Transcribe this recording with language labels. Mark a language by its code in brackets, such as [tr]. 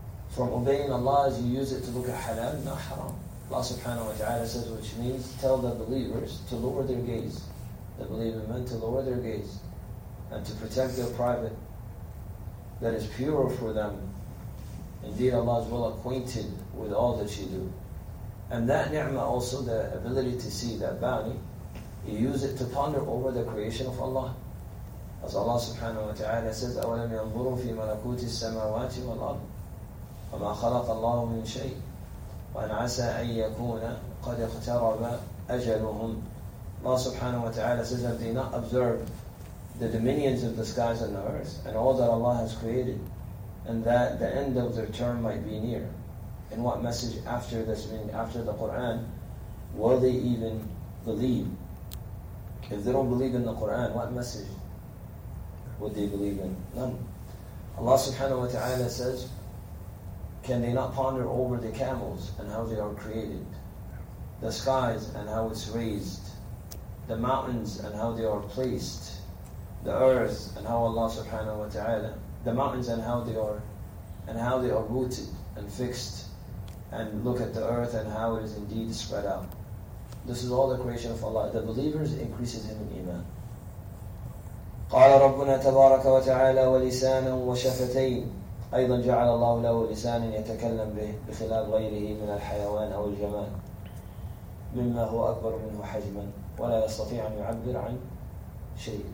[en] From obeying Allah, as you use it to look at halal, not haram. Allah subhanahu wa ta'ala says, which means tell the believers to lower their gaze, the believing men to lower their gaze, and to protect their private that is pure for them. Indeed, Allah is well acquainted with all that you do. And that ni'mah also, the ability to see, that bounty, you use it to ponder over the creation of Allah. As Allah subhanahu wa ta'ala says, [ar] أَوَلَمْ يَنْظُرُوا فِي مَلَكُوتِ السَّمَاوَاتِ وَالْأَرْضِ وَمَا خَلَقَ اللَّهُ مِنْ شَيْءٍ وَأَنْ عَسَى أَنْ يَكُونَ قَدْ اَقْتَرَبَ أَجَلُهُمْ. [en] Allah subhanahu wa ta'ala says, have they not observed the dominions of the skies and the earth and all that Allah has created, and that the end of their term might be near? And what message after this, after the Qur'an, will they even believe? If they don't believe in the Qur'an, what message would they believe in? None. Allah subhanahu wa ta'ala says, can they not ponder over the camels and how they are created, the skies and how it's raised, the mountains and how they are placed, the earth and how Allah subhanahu wa ta'ala, the mountains and how they are rooted and fixed, and look at the earth and how it is indeed spread out. This is all the creation of Allah. The believers increases him in iman. [ar] قال ربنا تبارك وتعالى ولسانا وشفتين أيضا جعل الله له لسانا يتكلم به بخلاف غيره من الحيوان أو الجمال مما هو أكبر منه حجما ولا يستطيع أن يعبر عن شيء.